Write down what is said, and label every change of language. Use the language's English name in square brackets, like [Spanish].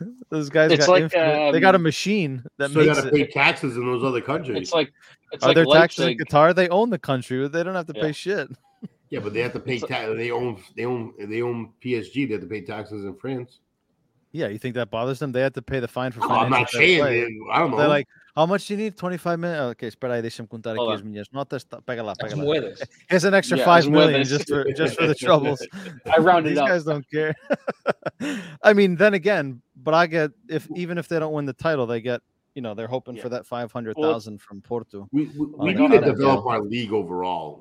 [English] Those guys it's got like, they got a machine that makes it. So they got to pay taxes in those other countries. Are there taxes in Qatar? They own the country. But they don't have to pay shit. Yeah, but they have to pay taxes. They own PSG. They have to pay taxes in France. Yeah, you think that bothers them? They have to pay the fine for. Oh, I'm not saying. I don't know. They're like, how much do you need? 25 million. [Portuguese] Okay, espera aí, deixa-me contar aqui as minhas notas. Pega lá. [English] It's an extra 5 million just for the troubles. I rounded these up. These guys don't care. I mean, then again, Braga, even if they don't win the title, they get, you know, they're hoping for that 500,000 from Porto. We need to develop our league overall.